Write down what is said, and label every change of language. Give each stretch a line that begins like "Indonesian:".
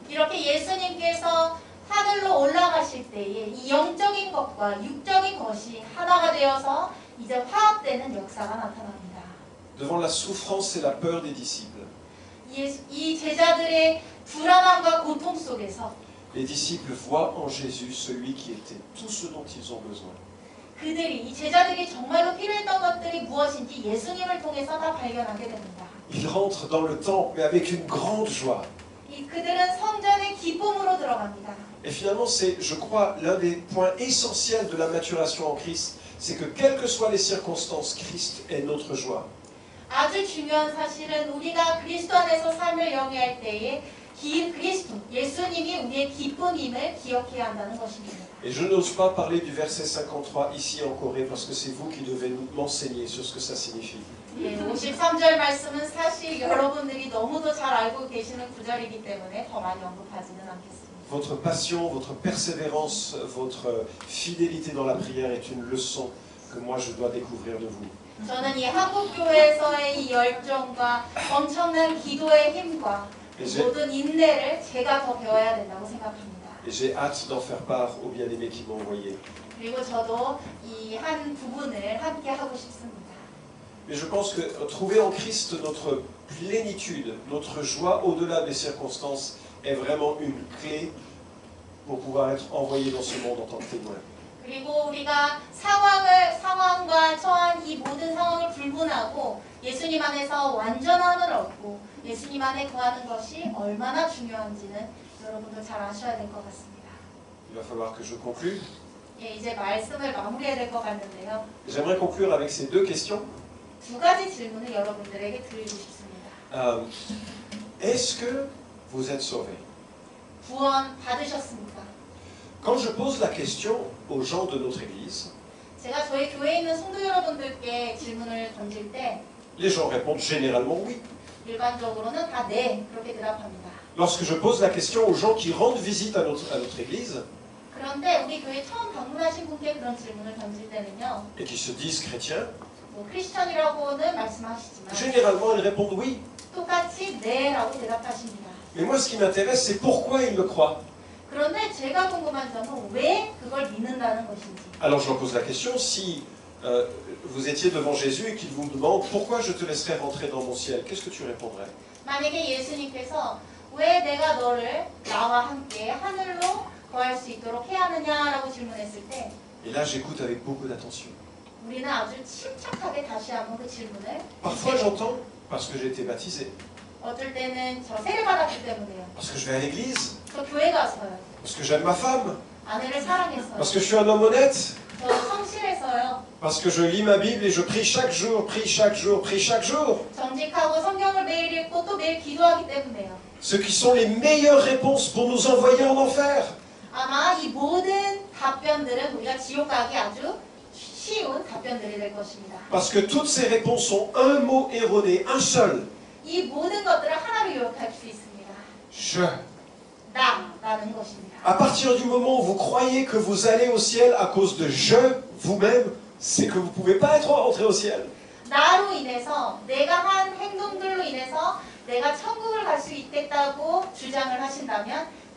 Korean: 이렇게 예수님께서 하늘로 올라가실 때에 이 영적인 것과 육적인 것이 하나가 되어서 이제 화합되는 역사가 나타납니다.
French: Devant la souffrance et la peur des disciples.
Korean: 이 제자들의 불안함과 고통 속에서
French: Les disciples voient en Jésus celui qui était tout ce dont ils ont besoin.
Korean: 그들이 이 제자들이 정말로 필요했던 것들이 무엇인지 예수님을 통해서 다 발견하게 됩니다.
French: Ils rentrent dans le temple mais avec une grande joie.
Korean: 그들은 성전에 기쁨으로 들어갑니다.
French: Et finalement c'est je crois l'un des points essentiels de la maturation en Christ. C'est que quelles que soient les circonstances, Christ est notre joie.
Korean: 아주 중요한 사실은 우리가 그리스도 안에서 삶을 영위할 때에 그리스도 예수님이 우리의 기쁨임을 기억해야 한다는 것입니다.
French: Et je n'ose pas parler du verset 53 ici en Corée parce que c'est vous qui devez m'enseigner sur ce que ça signifie.
Korean: 53절 말씀은 사실 여러분들이 너무도 잘 알고 계시는 구절이기 때문에 더 많이 언급하지는 않겠습니다.
French: Votre passion, votre persévérance, votre fidélité dans la prière est une leçon que moi je dois découvrir de vous.
Korean: 저는 이 한국 교회에서의 열정과 엄청난 기도의 힘과 모든 인내를 제가 더 배워야 된다고 생각합니다.
French: Et j'ai hâte d'en faire part aux bien-aimés qui m'ont envoyé.
Korean: 그리고 저도 이 한 부분을 함께 하고 싶습니다.
French: Mais je pense que trouver en Christ notre plénitude, notre joie au-delà des circonstances. Est vraiment une clé pour pouvoir être envoyé dans ce monde en tant que témoin.
Korean: 그리고 우리가 상황과 처한 이 모든 상황을 불문하고 예수님 안에서 완전함을 얻고 예수님 안에 거하는 것이 얼마나 중요한지는 여러분들 잘 아셔야 될 것 같습니다.
French: Il va falloir que je conclue.
Korean: 예, 이제 말씀을 마무리해야 될 것 같는데요.
French: J'aimerais conclure avec ces deux questions.
Korean: 두 가지 질문을 여러분들에게 드리고 싶습니다.
French: Est-ce que Vous êtes sauvés.
Korean: 구원 받으셨습니까?
French: Quand je pose la question aux gens de notre église,
Korean: 제가 저희 교회에 있는 성도 여러분들께 질문을 던질 때,
French: les gens répondent généralement oui.
Korean: 일반적으로는 다 네, 그렇게 대답합니다.
French: Lorsque je pose la question aux gens qui rendent visite à notre église,
Korean: 그런데 우리 교회 처음 방문하신 분께 그런 질문을 던질 때는요,
French: et qui se disent chrétiens,
Korean: 뭐 크리스천이라고는 말씀하시지만,
French: généralement ils répondent oui.
Korean: 똑같이 네라고 대답하십니다.
French: Mais moi, ce qui m'intéresse, c'est pourquoi ils le croient.
Korean: 그런데 제가 궁금한 점은 왜 그걸 믿는다는 것인지.
French: Alors, je leur pose la question. Si vous étiez devant Jésus et qu'il vous demande pourquoi je te laisserai rentrer dans mon ciel, qu'est-ce que tu répondrais?
Korean: 만약에 예수님께서 왜 내가 너를 나와 함께 하늘로 거할 수 있도록 해야 하느냐라고 질문했을 때.
French: Et là, j'écoute avec beaucoup d'attention.
Korean: 우리는 아주 침착하게 다시 한번 그 질문을.
French: Parfois, j'entends parce que j'ai été baptisé.
Korean: 어떨 때는 저 세례 받았기 때문에요.
French: Parce que je vais à l'église.
Korean: 저 교회 가서요.
French: Parce que j'aime ma femme.
Korean: 아내를 사랑해서요.
French: Parce que je suis un homme honnête.
Korean: 저 성실해서요.
French: Parce que je lis ma Bible et je prie chaque jour.
Korean: 정직하고 성경을 매일 읽고 또 매일 기도하기 때문에요.
French: Ce qui sont les meilleures réponses pour nous envoyer en enfer.
Korean: 아마 이 모든 답변들은 우리가 지옥 가기 아주 쉬운 답변들이 될 것입니다.
French: Parce que toutes ces réponses sont un mot erroné, un seul.
Korean: 이 모든 것들을 하나로 요약할 수 있습니다.
French: Je.
Korean: 나라는 것입니다.
French: À partir du moment où vous croyez que vous allez au ciel à cause de je vous-même, c'est que vous pouvez pas être rentré au ciel.
Korean: 나로 인해서 내가 한 행동들로 인해서 내가 천국을 갈 수 있겠다고 주장을 하신다면